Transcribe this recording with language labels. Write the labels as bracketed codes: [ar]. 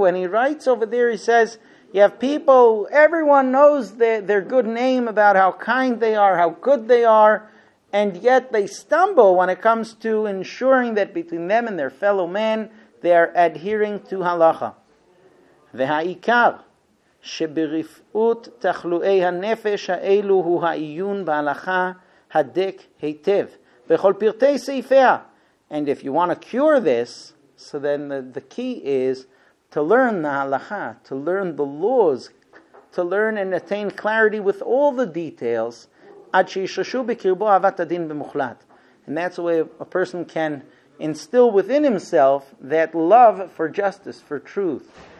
[en] When he writes over there, he says, you have people, everyone knows their good name about how kind they are, how good they are, And yet they stumble when it comes to ensuring that between them and their fellow man, they are adhering to halacha. [he] V'ha'ikar, שברפאות תחלואי הנפש האלו הוא העיון בהלכה הדק היטב בכל פרטי סעיפיה. [en] And if you want to cure this, so then the key is to learn the halakha, to learn the laws, to learn and attain clarity with all the details, [he] עד שישרשו בקרבו אהבת הדין במוחלט. [en] And that's a way a person can instill within himself that love for justice, for truth.